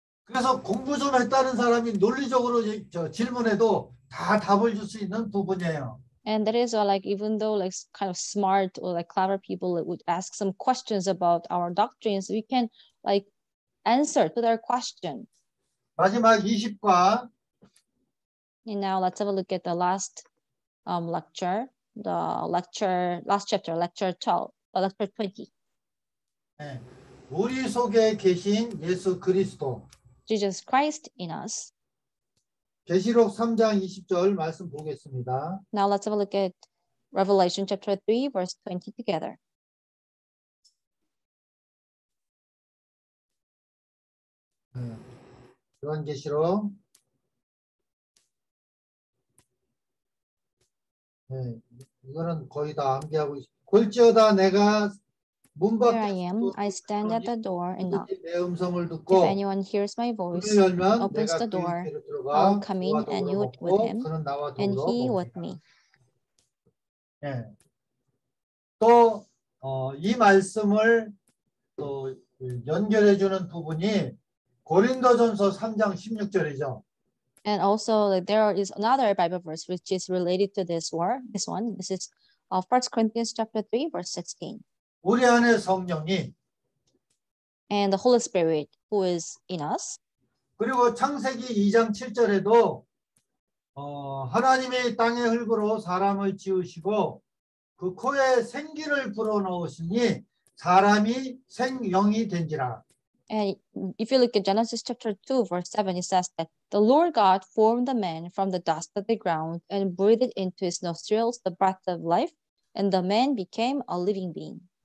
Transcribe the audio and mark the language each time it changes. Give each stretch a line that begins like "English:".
Korean: 그래서 공부 좀 했다는 사람이 논리적으로 질문해도 다 답을 줄 수 있는 부분이에요.
English: And that is like even though like kind of smart or like clever people would ask some questions about our doctrines, we can like answer to their question.
Korean: 마지막 20과
English: And now let's have a look at the last lecture, the lecture last chapter, lecture 12, lecture 20.
Korean: 네, 우리 속에 계신 예수 그리스도.
English: Jesus Christ in us.
Korean: 계시록 3장 20절 말씀 보겠습니다.
English: Now let's have a look at Revelation chapter 3 verse 20 together.
Korean: 요한계시록 네, 이거는 거의 다 암기하고 있습니다. 골지어다 내가 문 밖에
English: Here I am. I stand at the door and knock.
Korean: 내 음성을 듣고
English: If anyone hears my voice, opens the door, I'll come in and you with him, and he with me. 네.
Korean: 또 이 말씀을 또 연결해 주는 부분이 고린도전서 3장 16절이죠.
English: And also, like, there is another Bible verse which is related to this word. This one, this is First Corinthians chapter 3, verse 16.
Korean: 우리 안에 성령이
English: and the Holy Spirit who is in us.
Korean: 그리고 창세기 2장 7절에도 하나님이 땅의 흙으로 사람을 지으시고 그 코에 생기를 불어넣으시니 사람이 생명이 된지라.
English: And if you look at Genesis chapter 2, verse 7, it says that the Lord God formed the man from the dust of the ground and breathed into his nostrils the breath of life, and the man became a living being.